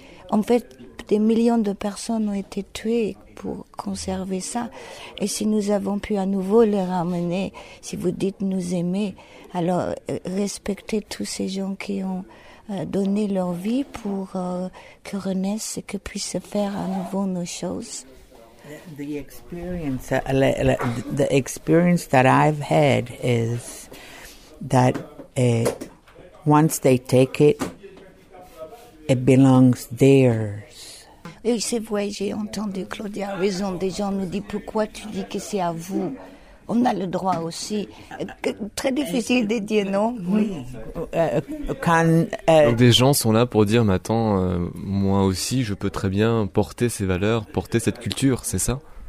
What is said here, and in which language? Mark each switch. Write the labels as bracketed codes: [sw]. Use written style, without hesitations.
[fr] En fait, des millions de personnes ont été tuées pour conserver ça. Et si nous avons pu à nouveau les ramener, si vous dites nous aimer, alors respectez tous ces gens qui ont donné leur vie pour que renaisse et que puisse faire à nouveau nos choses. [en] The experience that I've had is that once they take it, it belongs theirs. [fr] Oui, c'est vrai, j'ai entendu Claudia a raison. Des gens nous disent, pourquoi tu dis que c'est à vous? On a le droit aussi. Très difficile de dire non. Oui. Donc des gens sont là pour dire, mais attends, moi aussi, je peux très bien porter ces valeurs, porter cette culture, c'est ça?